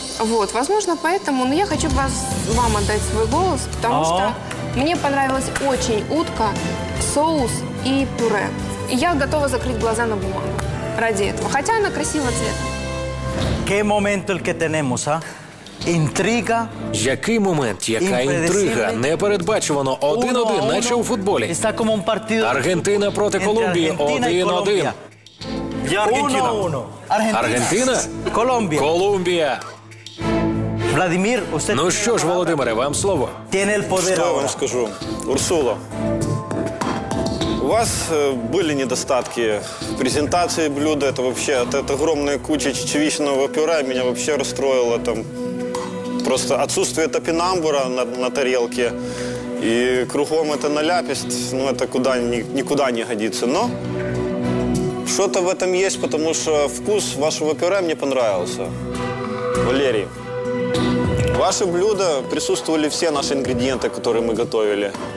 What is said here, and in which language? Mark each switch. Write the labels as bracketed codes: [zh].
[ru] Вот, возможно, поэтому. Но я хочу вам отдать свой голос, потому что мне понравилась очень утка, соус и пюре. И я готова закрыть глаза на бумагу ради этого. Хотя она красивого цвета. [es] Que momento el que tenemos, а? [uk] Інтрига. Який момент, яка інтрига. Непередбачувано. 1-1, наче у футболі. Аргентина проти Колумбії. 1-1. Я Аргентина. Аргентина? Колумбія. Колумбія. Владимир, усе... Ну що ж, Володимире, вам слово. Що вам скажу? Урсула, у вас були недостатки в презентації блюда. Це взагалі, це огромна куча чечевичного пюре. Мене взагалі розстроїло там... [ru] Просто отсутствие топинамбура на тарелке и кругом это наляпесть, ну это куда, никуда не годится. Но что-то в этом есть, потому что вкус вашего пюре мне понравился. Валерий, ваши блюда присутствовали все наши ингредиенты, которые мы готовили.